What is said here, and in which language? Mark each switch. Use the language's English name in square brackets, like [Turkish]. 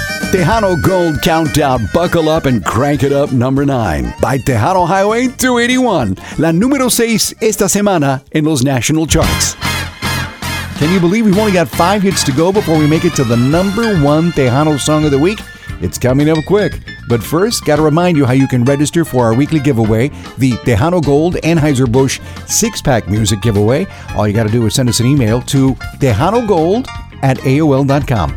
[English] Tejano Gold Countdown, Buckle Up and Crank It Up, number 9, by Tejano Highway 281. [Spanish] La número 6 esta semana en los [English] national charts. Can you believe we've only got 5 hits to go before we make it to the number 1 Tejano song of the week? It's coming up quick. But first, gotta remind you how you can register for our weekly giveaway, the Tejano Gold Anheuser-Busch 6-Pack Music Giveaway. All you gotta do is send us an email to TejanoGold@AOL.com.